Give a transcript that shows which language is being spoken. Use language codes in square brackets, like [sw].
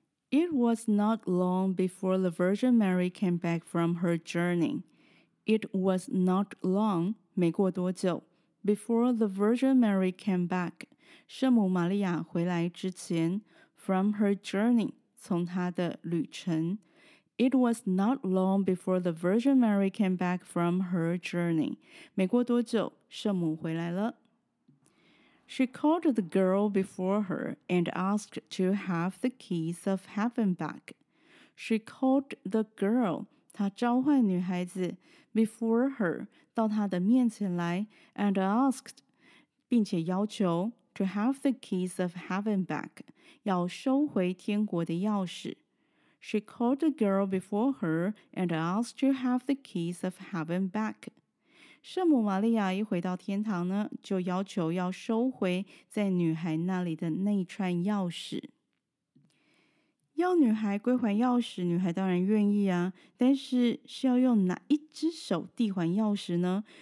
[en] It was not long before the Virgin Mary came back from her journey It was not long [zh] 没过多久 [en] Before the Virgin Mary came back [zh] 圣母玛利亚回来之前 [en] From her journey, [zh] 从她的旅程。 [en] It was not long before the Virgin Mary came back from her journey. [zh] 没过多久，圣母回来了。 [en] She called the girl before her and asked to have the keys of heaven back. She called the girl, [zh] 她召唤女孩子 [en] before her, [zh] 到她的面前来 [en] and asked, [zh] 并且要求。 [en] To have the keys of heaven back, [zh] 要收回天国的钥匙。 [en] She called the girl before her and asked to have the keys of heaven back. [zh] 圣母玛利亚一回到天堂呢，就要求要收回在女孩那里的那串钥匙。要女孩归还钥匙，女孩当然愿意啊，但是是要用哪一只手递还钥匙呢？